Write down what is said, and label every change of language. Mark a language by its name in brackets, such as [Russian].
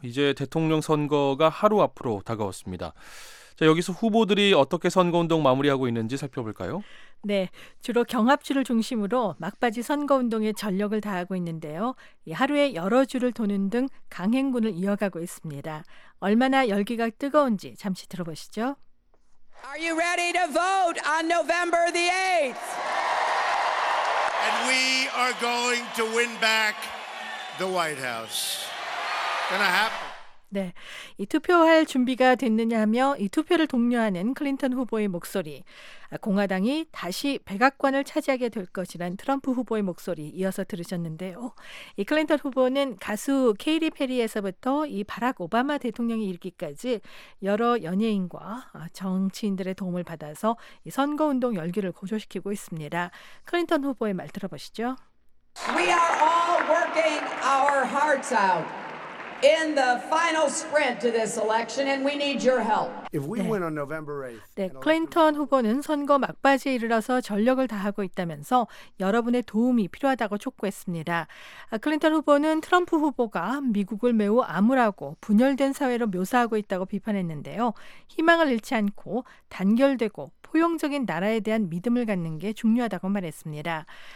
[Korean] 이제 대통령 선거가 하루 앞으로 다가왔습니다. 자, 여기서 후보들이 어떻게 선거운동 마무리하고 있는지 살펴볼까요? 네, 주로 경합주를 중심으로 막바지 선거운동에 전력을 다하고 있는데요. 하루에 여러 주를 도는 등 강행군을 이어가고 있습니다. 얼마나 열기가 뜨거운지 잠시 들어보시죠. [English] Are you ready to vote on November the 8th? And we are going to win back the White House. Gonna happen. [Korean] 네, 이 투표할 준비가 됐느냐며 이 투표를 독려하는 클린턴 후보의 목소리, 공화당이 다시 백악관을 차지하게 될 것이란 트럼프 후보의 목소리 이어서 들으셨는데요. 이 클린턴 후보는 가수 케이리 페리에서부터 이 바락 오바마 대통령이 이르기까지 여러 연예인과 정치인들의 도움을 받아서 이 선거운동 열기를 고조시키고 있습니다. 클린턴 후보의 말 들어보시죠. [English] We are all working our hearts out. In the final sprint to this election, and we need your help. [Korean] 네. 네, 클린턴 후보는 선거 막바지에 이르러서 전력을 다하고 있다면서 여러분의 도움이 필요하다고 촉구했습니다. 클린턴 후보는 트럼프 후보가 미국을 매우 암울하고 분열된 사회로 묘사하고 있다고 비판했는데요. 희망을 잃지 않고 단결되고 포용적인 나라에 대한 믿음을 갖는 게 중요하다고 말했습니다.